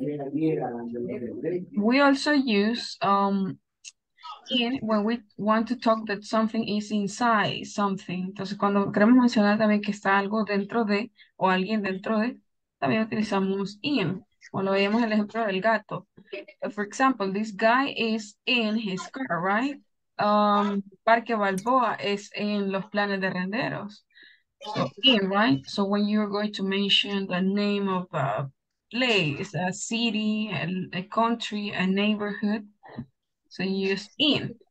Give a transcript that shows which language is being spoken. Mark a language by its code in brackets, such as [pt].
[en] We also use in when we want to talk that something is inside something. [es] Entonces, cuando queremos mencionar también que está algo dentro de o alguien dentro de, también utilizamos in. Cuando veíamos el ejemplo del gato. [en] For example, this guy is in his car, right? Parque Balboa is in los planes de renderos. So in, right? So when you're going to mention the name of a place, a city, a country, a neighborhood, so you use in.